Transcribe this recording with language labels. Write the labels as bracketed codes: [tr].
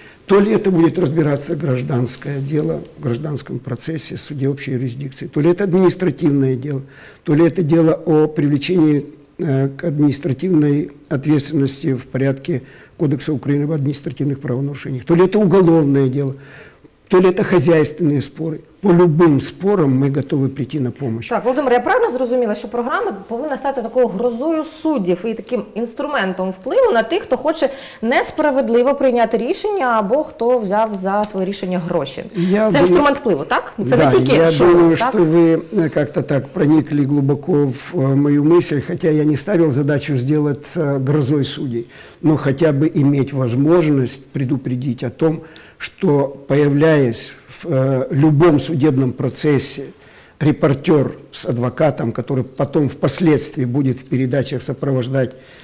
[ru] То ли это будет разбираться гражданское дело в гражданском процессе, суде общей юрисдикции, то ли это административное дело, то ли это дело о привлечении к административной ответственности в порядке Кодекса Украины об административных правонарушениях, то ли это уголовное дело, то ли это хозяйственные споры. По любым спорам мы готовы прийти на помощь. [uk] Так, Володимир, я правильно зрозуміла, що програма повинна стати такою грозою суддів і таким інструментом впливу на тих, хто хоче несправедливо прийняти рішення або хто взяв за своє рішення гроші. Це інструмент впливу, так? Це не тільки що. Я думаю, що ви як-то так проникли глибоко в мою мисль, хоча я не ставив задачу зробити грозою суддів, але хоча б мати можливість предупредити [ru] о том, что, появляясь в любом судебном процессе, репортер с адвокатом, который потом впоследствии будет в передачах сопровождать